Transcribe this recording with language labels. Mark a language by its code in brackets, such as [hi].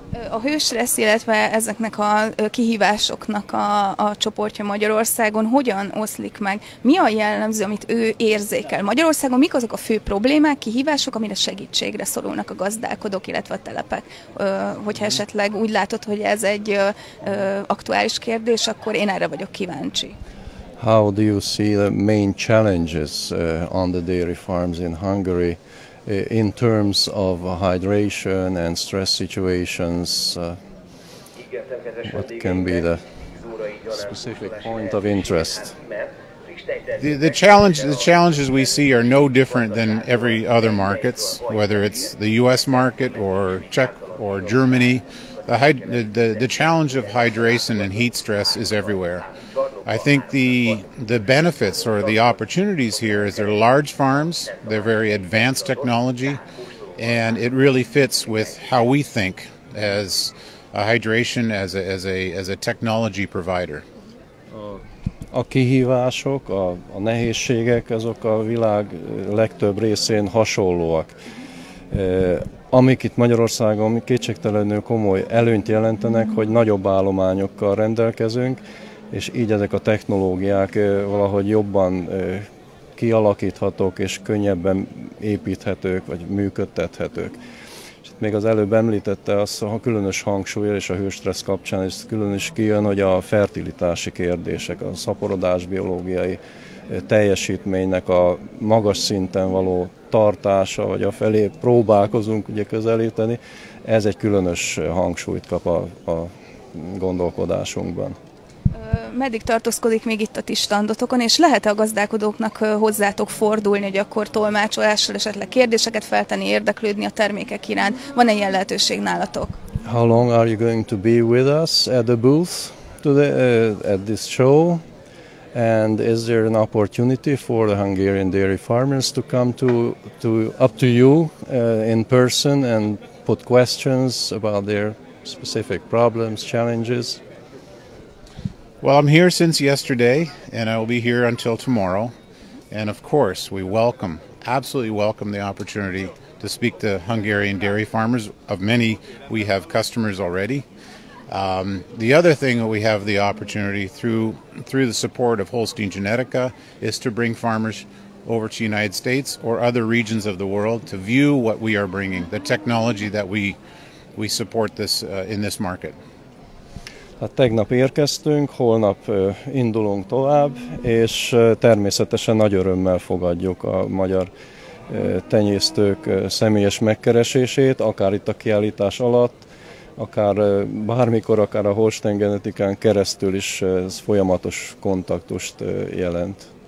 [hu] A hőstressz, illetve ezeknek a kihívásoknak a csoportja Magyarországon hogyan oszlik meg? Mi a jellemző, amit ő érzékel? Magyarországon mik azok a fő problémák, kihívások, amire segítségre szorulnak a gazdálkodók, illetve a telepek? Hogyha esetleg úgy látod, hogy ez egy aktuális kérdés, akkor én erre vagyok kíváncsi. [en] How do you see the main challenges on the dairy farms in Hungary? In terms of hydration and stress situations, what can be the specific point of interest? The challenges we see are no different than every other markets, whether it's the U.S. market or Czech or Germany. The challenge of hydration and heat stress is everywhere. I think the benefits or the opportunities here is they're large farms, they're very advanced technology, and it really fits with how we think as a hydration as a technology provider. [hu] A kihívások, a nehézségek azok a világ legtöbb részén hasonlóak. Amik itt Magyarországon kétségtelenül komoly előnyt jelentenek, hogy nagyobb állományokkal rendelkezünk, és így ezek a technológiák valahogy jobban kialakíthatók és könnyebben építhetők vagy működtethetők. És itt még az előbb említette azt, ha különös hangsúly és a hőstressz kapcsán is külön is kijön, hogy a fertilitási kérdések, a szaporodás biológiai teljesítménynek a magas szinten való tartása, vagy afelé próbálkozunk ugye közelíteni, ez egy különös hangsúlyt kap a gondolkodásunkban. Meddig tartózkodik még itt a ti standotokon, és lehet-e a gazdálkodóknak hozzátok fordulni, hogy akkor tolmácsolással esetleg kérdéseket feltenni, érdeklődni a termékek iránt? Van-e ilyen lehetőség nálatok? [en] How long are you going to be with us at the booth today, at this show? And is there an opportunity for the Hungarian dairy farmers to come to up to you in person and put questions about their specific problems, challenges? Well, I'm here since yesterday, and I will be here until tomorrow. And of course, we welcome, absolutely welcome the opportunity to speak to Hungarian dairy farmers. Of many, we have customers already. The other thing that we have the opportunity through the support of Holstein Genetica is to bring farmers over to the United States or other regions of the world to view what we are bringing, the technology that we support this in this market. [hu] Hát tegnap érkeztünk, holnap indulunk tovább, és természetesen nagy örömmel fogadjuk a magyar tenyésztők személyes megkeresését, akár itt a kiállítás alatt, akár bármikor, akár a Holstein Genetikán keresztül is ez folyamatos kontaktust jelent.